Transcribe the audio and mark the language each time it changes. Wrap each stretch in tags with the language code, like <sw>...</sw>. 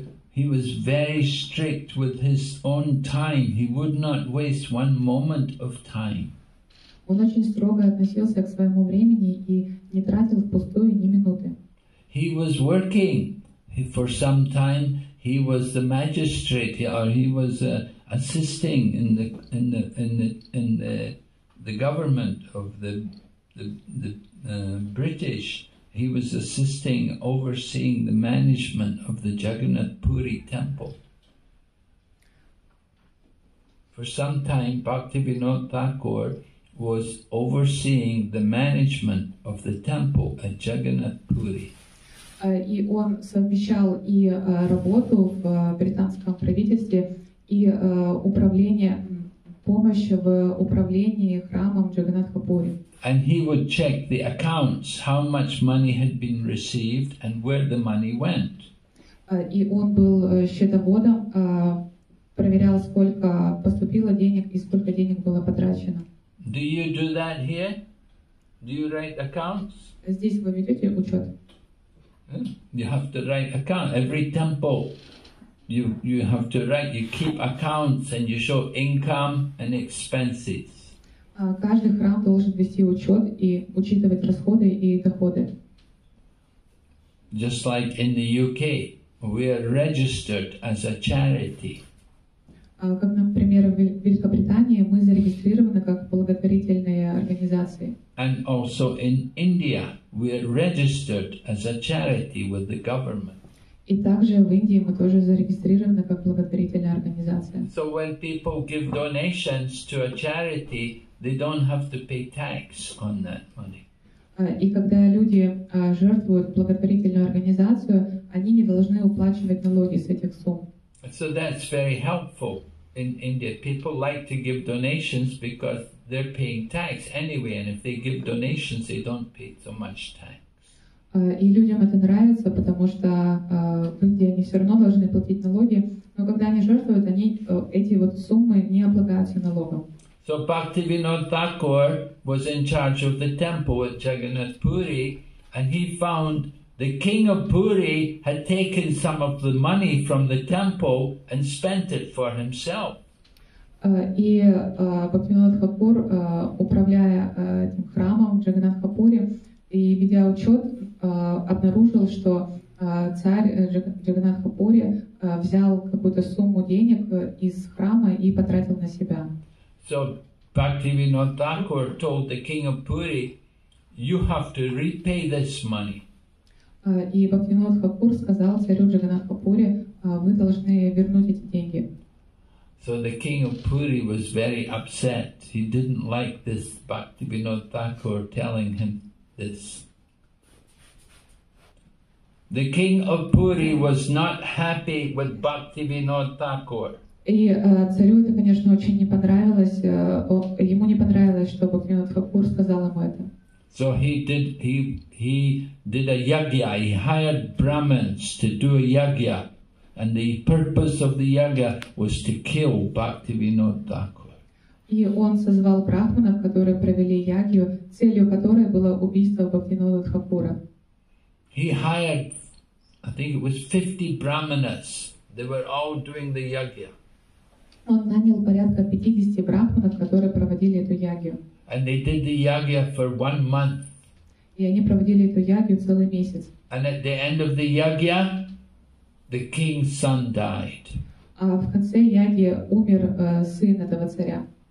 <en>He was very strict with his own time. He would not waste one moment of time.</en> <ru>Он очень строго относился к своему времени и не тратил впустую ни минуты.</ru> <en>He was working for some time. He was the magistrate, or he was assisting in the government of the British. He was assisting, overseeing the management of the Jagannath Puri temple. For some time, Bhaktivinoda Thakur was overseeing the management of the temple at Jagannath Puri.</en> <ru>И он совмещал и работу в британском правительстве, и управление. Помощь в управлении храмом Джаганатхапури.</ru> <en>And he would check the accounts, how much money had been received and where the money went.</en> <ru>И он был счетоводом, проверял, сколько поступило денег и сколько денег было потрачено.</ru> <en>Do you do that here? Do you write accounts?</en> <ru>Здесь вы ведете учет?</ru> <en>You have to write account every temple. You have to write. You keep accounts and you show income and expenses.</en> <ru>Каждый храм должен вести учет и учитывать расходы и доходы.</ru> <en>Just like in the UK, we are registered as a charity.</en> <ru>Как, например, в Великобритании мы зарегистрированы как благотворительные организации.</ru> <en>And also in India, we are registered as a charity with the government.</en> <ru>И также в Индии мы тоже зарегистрированы как благотворительная организация.</ru> <en>So when people give donations to a charity, they don't have to pay tax on that money.</en> <ru>И когда люди жертвуют благотворительную организацию, они не должны уплачивать налоги с этих сумм.</ru> <en>So that's very helpful in India. People like to give donations because they're paying tax anyway, and if they give donations, they don't pay so much tax.</en> <ru>И людям это нравится, потому что в Индии они все равно должны платить налоги, но когда они жертвуют, они эти вот суммы не облагаются налогом.</ru> <en>So Bhaktivinoda Thakur was in charge of the temple at Jagannath Puri, and he found the king of Puri had taken some of the money from the temple and spent it for himself.</en> <ru>И Бхактивинода Хакур, управляя этим храмом Джаганнатхапури, и ведя учет, обнаружил, что царь Джаганнатхапури взял какую-то сумму денег из храма и потратил на себя.</ru> <en>So Bhaktivinoda Thakur told the king of Puri, you have to repay this money.</en> <ru>И Бхактивинода Хакур сказал царю Джаганнатхапури, вы должны вернуть эти деньги.</ru> <en>So the king of Puri was very upset. He didn't like this Bhaktivinoda Thakur telling him this. The king of Puri was not happy with Bhaktivinoda Thakur.</en> <ru>И царю это, конечно, очень не понравилось. Ему не понравилось, что Бхактивинода Хакур сказал ему это.</ru> <en>So he did a yagya. He hired Brahmins to do a yagya. And the purpose of the yagya was to kill Bhaktivinoda Thakur.</en> <ru>И он созвал брахманов, которые провели ягью, целью которой было убийство Бхактивинода Хакура.</ru> <en>He hired, I think it was 50 brahmanas. They were all doing the yagya.</en> <ru>Он нанял порядка 50 брахманов, которые проводили эту ягью.</ru> <en>And they did the yagya for 1 month.</en> <ru>И они проводили эту ягью целый месяц.</ru> <en>And at the end of the yagya, the king's son died.</en> <ru>В конце яги умер сын этого царя.</ru>